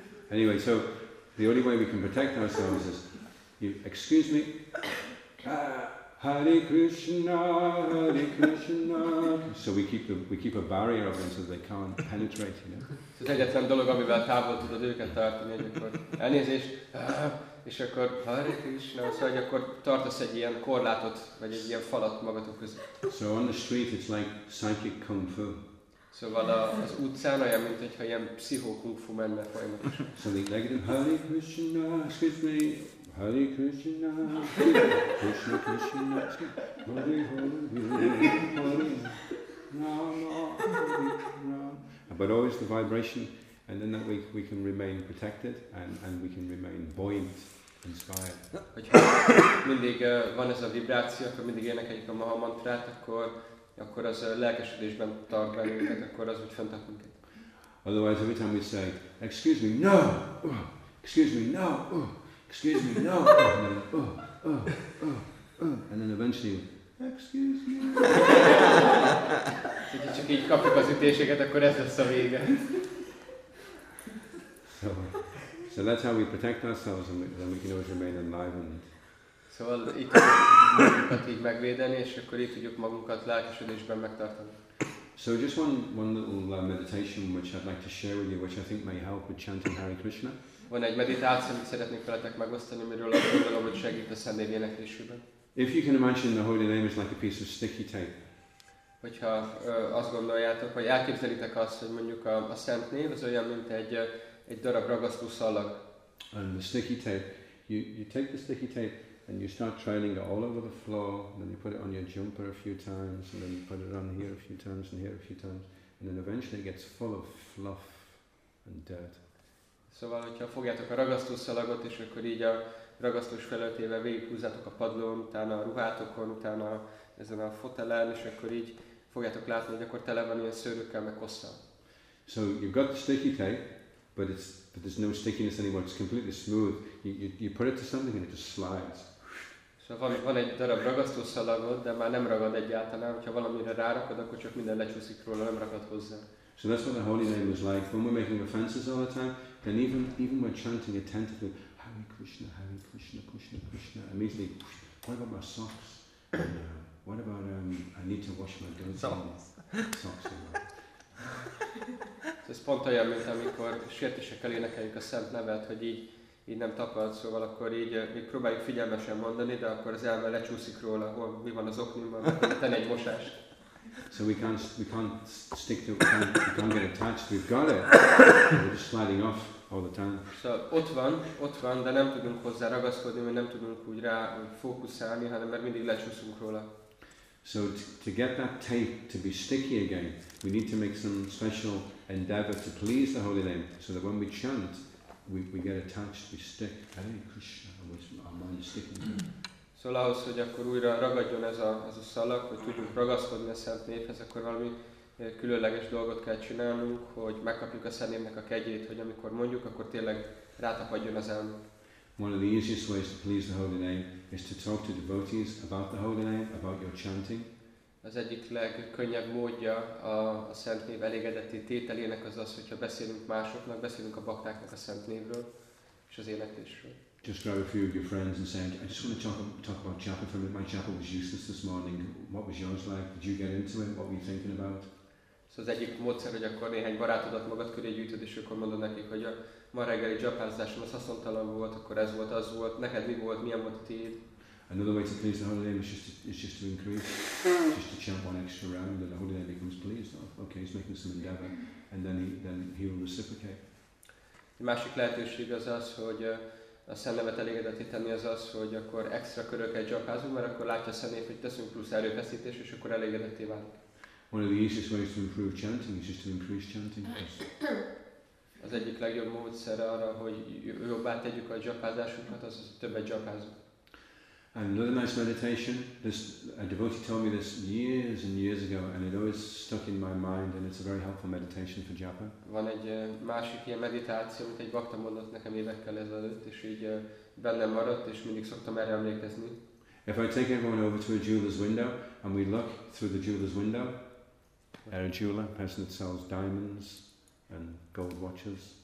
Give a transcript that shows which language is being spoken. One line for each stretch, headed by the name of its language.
English: Anyway, so the only way we can protect ourselves is, you, excuse me, Hare Krishna, Hare Krishna. So we keep a barrier of them so they can't penetrate, you know.
Hungarian: Ez az egyetlen dolog, amivel távol tudod őket tartani, hogy akkor elnézést, és akkor Hare Krishna, szóval hogy akkor tartasz egy ilyen korlátot, vagy egy ilyen falat magatok között.
English: So on the street it's like psychic kung fu.
Hungarian: Szóval az utcán olyan, mint hogyha ilyen pszichó kung fu menne folyamatosan.
English: So the negative, Hare Krishna, excuse me, Hare Krishna, Krishna Krishna, Hare Hare, Hare Rama, Hare Rama. But always the vibration, and then that we can remain protected, and we can remain buoyant, inspired.
Hungarian: Hogyha mindig van ez a vibráció, akkor mindig énekeljük a Maha mantrát, akkor az lelkesedésben tart bennünket, akkor az úgy fenntart minket.
English: Otherwise, every time we say, excuse me, no, excuse me, no, excuse me, no, and then, and then eventually, excuse me.
Hungarian: Hogyha csak így kapjuk az ütéseket, akkor ez lesz a vége.
English: So that's how we protect ourselves and then we can always remain enlivened.
Hungarian: Szóval itt tudjuk magunkat így megvédeni, és akkor itt tudjuk magunkat lelkesedésben megtartani.
English: So just one little meditation which I'd like to share with you, which I think may help with chanting Hare Krishna.
Hungarian: Van egy meditáció, amit szeretnék veletek megosztani, miről azt gondolom, hogy segít a szent név éneklésében.
English: If you can imagine the holy name is like a piece of sticky tape.
Hungarian: Hogyha azt gondoljátok, vagy elképzelitek azt, hogy mondjuk a szent név az olyan, mint egy darab ragasztó szalag.
English: And the sticky tape, you take the sticky tape and you start trailing it all over the floor, and then you put it on your jumper a few times, and then you put it on here a few times, and here a few times, and then eventually it gets full of fluff and dirt.
Hungarian: Szóval, hogyha fogjátok a ragasztó szalagot, és akkor így a ragasztós felületével végighúzzátok a padlón, utána a ruhátokon, utána ezen a fotelen, és akkor így fogjátok látni, hogy akkor tele van ilyen szőrükkel, meg kosszal.
English: So you've got the sticky tape, but there's no stickiness anymore, it's completely smooth. You put it to something and it just slides.
Hungarian: So van egy darab ragasztó szalagod, de már nem ragad egyáltalán, hogyha valamire rárakod, akkor csak minden lecsúszik róla, nem ragad hozzá.
English: So that's what the holy name is like. When we're making offenses all the time, then even when chanting attentively, Hare Krishna, Krishna, Krishna, immediately, what about my socks? What about, I need to wash my goat's socks.
Hungarian: Ez pont olyan, mint amikor sértésekkel énekeljük a szent nevet, hogy így nem tapad, szóval akkor így még próbáljuk figyelmesen mondani, de akkor az elme lecsúszik róla, hol mi van az oknyomban, tenni egy mosást.
English: So we can't stick to it, we can't get attached, we've got it, we're just sliding off all the time.
Hungarian: Szóval ott van, de nem tudunk hozzá ragaszkodni, vagy nem tudunk úgy rá fókuszálni, hanem mert mindig lecsúszunk róla.
English: So to get that tape to be sticky again, we need to make some special endeavor to please the holy name, so that when we chant, we get attached, we stick. Hare Krishna, our mind is sticking.
Hungarian: So ahhoz, hogy akkor újra ragadjon ez a szalag, hogy tudjunk ragaszkodni a szent névhez, akkor valami különleges dolgot kell csinálnunk, hogy megkapjuk a szent névnek a kegyét, hogy amikor mondjuk, akkor tényleg rátapadjon az elmünk.
English: One of the easiest ways to please the holy name is to talk to devotees about the holy name, about your chanting.
Hungarian: Az egyik legkönnyebb módja a szent név elégedetté tételének az, hogyha beszélünk másoknak, beszélünk a baktáknak a szent névről és az életésről.
English: Just grab a few of your friends and say, I just want to talk about chapel for a minute. My chapel was useless this morning. What was yours like? Did you get into it? What were you thinking about?
Hungarian: Szóval az egyik módszer, hogy akkor néhány barátodat magad köré gyűjtöd, és akkor mondod nekik, hogy a ma reggeli japánzásom az haszontalan volt, akkor ez volt, az volt, neked mi volt, milyen volt a tiéd?
English: Another way to please the holy name is just to increase, it's just to chant one extra round and the holy name becomes pleased. Oh, okay, he's making some endeavor and then he will reciprocate.
Hungarian: A másik lehetőség az, hogy a szent nevet elégedetté tenni az, hogy akkor extra köröket japázunk, mert akkor látja a szent név, hogy teszünk plusz erőfeszítés, és akkor elégedetté válik.
English: One of the easiest ways to improve chanting is just to increase chanting.
Hungarian: Az egyik legjobb módszer arra, hogy jobbá tegyük a japázásunkat, az többet japázunk.
English: And another nice meditation, a devotee told me this years and years ago, and it always stuck in my mind, and it's a very helpful meditation for japa.
Hungarian: Van egy másik ilyen meditáció, amit egy bakta mondott nekem évekkel ezelőtt, és így bennem maradt, és mindig szoktam erre emlékezni.
English: If I take everyone over to a jeweler's window, and we look through the jeweler's window, a jeweler, a person that sells diamonds and gold watches.